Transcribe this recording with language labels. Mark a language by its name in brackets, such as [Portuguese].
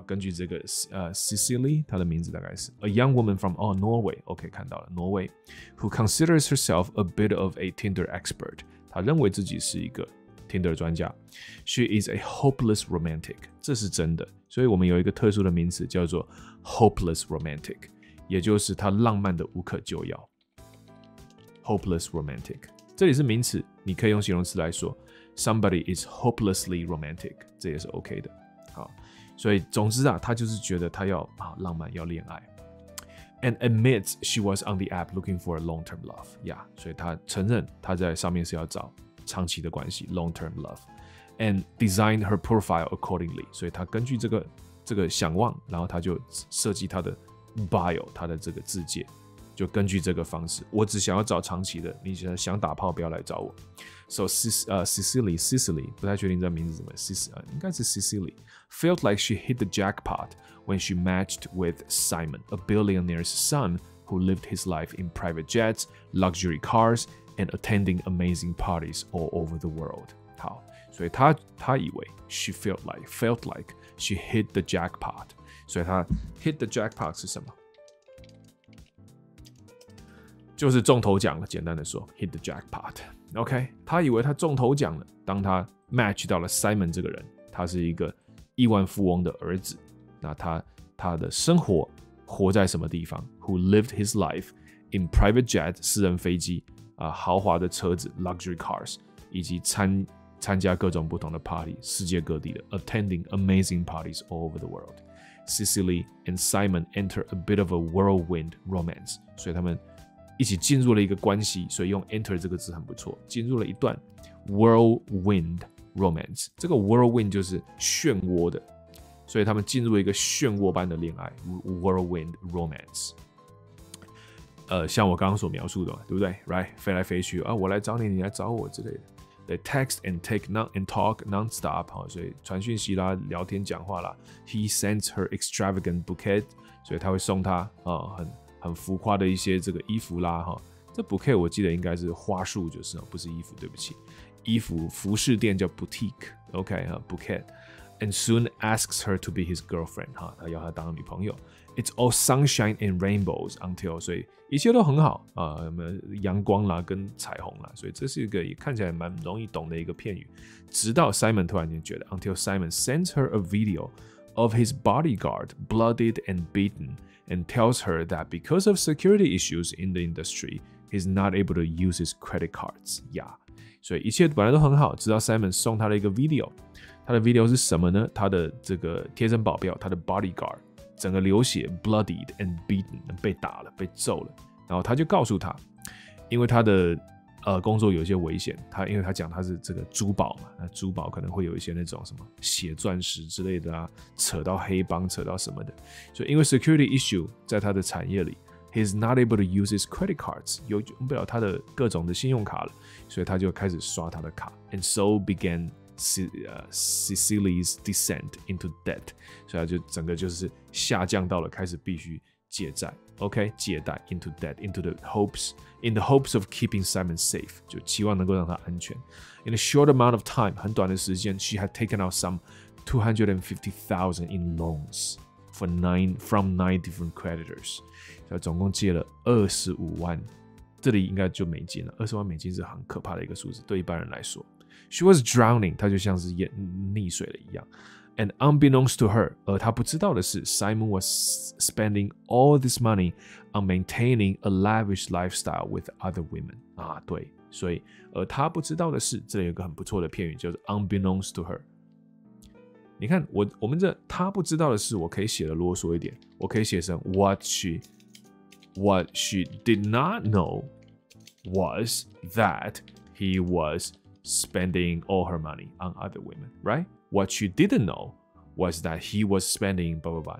[English] 根据这个Cecily， [Chinese] 她的名字大概是 [English] a young woman from Norway， OK， [Chinese] 看到了 [English] Norway， who considers herself a bit of a Tinder expert， [Chinese] 她认为自己是一个 Tinder 专家。 [English] She is a hopeless romantic， [Chinese] 这是真的。所以我们有一个特殊的名词叫做 hopeless romantic， 也就是她浪漫的无可救药。 hopeless romantic 这里是名词，你可以用形容词来说 [English] Somebody is hopelessly romantic， [Chinese] 这也是 OK 的。好，所以总之啊，他就是觉得他要浪漫，要恋爱。 [English] And admits she was on the app looking for a long-term love， [Chinese] 所以他承认他在上面是要找长期的关系 [English] ，long-term love。 and designed her profile accordingly. [Chinese] 所以他根据这个想望，然后他就设计他的 bio， 他的这个字介，就根据这个方式。我只想要找长期的，你想打炮不要来找我。 [English] So Cicely [Chinese] 不太确定这名字怎么 应该是 [English] Cicely felt like she hit the jackpot when she matched with Simon, a billionaire's son who lived his life in private jets, luxury cars, and attending amazing parties all over the world. [Chinese] 好，所以他以为 [English] she felt like she hit the jackpot. [Chinese] 所以他 hit the jackpot 是什么？就是中头奖了，简单的说 hit the jackpot。OK， 他以为他中头奖了，当他 match 到了 Simon 这个人，他是一个亿万富翁的儿子，那他的生活活在什么地方？ [English] Who lived his life in private jet [Chinese] 私人飞机、豪华的车子 [English] luxury cars， [Chinese] 以及参加各种不同的 party， 世界各地的 [English] attending amazing parties all over the world。 Cicely and Simon enter a bit of a whirlwind romance， [Chinese] 所以他们一起进入了一个关系，所以用 enter 这个字很不错，进入了一段 whirlwind romance。这个 whirlwind 就是漩涡的，所以他们进入一个漩涡般的恋爱 whirlwind romance。像我刚刚所描述的，对不对？Right， 飞来飞去啊，我来找你，你来找我之类的。 [English] They text and talk non-stop， [Chinese] 所以传讯息啦，聊天讲话啦。 [English] He sends her extravagant bouquet， [Chinese] 所以他会送她、很浮夸的一些这个衣服啦，哈，这 bouquet 我记得应该是花束，就是不是衣服，对不起，衣服服饰店叫 boutique， OK， bouquet， [English] and soon asks her to be his girlfriend， [Chinese] 哈，他要她当女朋友。 [English] It's all sunshine and rainbows until， [Chinese] 所以一切都很好啊，阳光啦跟彩虹啦，所以这是一个也看起来蛮容易懂的一个片语。直到 Simon 突然间觉得 [English] ，until Simon sends her a video of his bodyguard bloodied and beaten。 And tells her that because of security issues in the industry, he's not able to use his credit cards. [Chinese] Yeah, 所以一切本来都很好，直到 Simon 送他了一个 video。他的 video 是什么呢？他的这个贴身保镖，他的 bodyguard， 整个流血 ， [English] bloodied and beaten， [Chinese] 被打了，被揍了。然后他就告诉他，因为他的工作有一些危险，他因为他讲他是这个珠宝嘛，那珠宝可能会有一些那种什么血钻石之类的啊，扯到黑帮，扯到什么的，所以因为 security issue 在他的产业里 ， [English] he's not able to use his credit cards， [Chinese] 用不了他的各种的信用卡了，所以他就开始刷他的卡 ， [English] and so began Cicely's descent into debt， [Chinese] 所以他就整个就是下降到了开始必须借债。 OK， 借贷 into debt [English] into the hopes in the hopes of keeping Simon safe， [Chinese] 就期望能够让他安全。 [English] In a short amount of time， [Chinese] 很短的时间 [English] ，she had taken out some 250,000 in loans for from nine different creditors， [Chinese] 她总共借了25万，这里应该就美金了。 20万美金是很可怕的一个数字，对一般人来说。 [English] She was drowning， [Chinese] 她就像是溺水了一样。 [English] And unbeknownst to her, [Chinese] 而他不知道的是 [English] ，Simon was spending all this money on maintaining a lavish lifestyle with other women. [Chinese] 啊，对，所以他不知道的是，这里有一个很不错的片语，就是 unbeknownst to her。你看，我们这他不知道的是，我可以写的啰嗦一点，我可以写成 [English] what she did not know was that he was spending all her money on other women, right? What she didn't know was that he was spending blah blah blah.